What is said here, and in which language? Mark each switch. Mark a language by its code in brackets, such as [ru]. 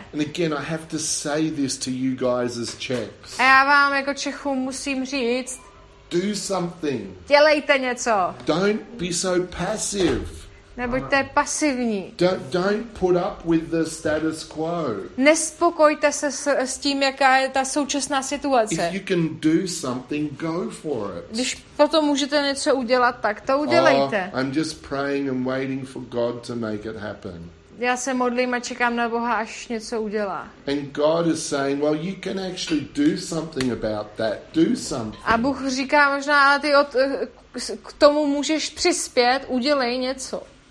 [en] And again, I have to say this to you guys as Czechs. [cs] A já vám jako Čechům musím říct. [en] Do something. [cs] Dělejte něco. [en] Don't be so passive. [cs] Nebuďte pasivní. [en] Don't put up with the status quo. [cs] Nespokojte se s tím, jaká je ta současná situace. [en] If you can do something, go for it. [cs] Když potom můžete něco udělat, tak to udělejte. [en] Oh, I'm just praying and waiting for God to make it happen. [cs] Já se modlím a čekám na Boha, až něco udělá. [en] And God is saying, well, you can actually do something about that. Do something. [cs] A Bůh říká možná, ale ty k tomu můžeš přispět, udělej něco.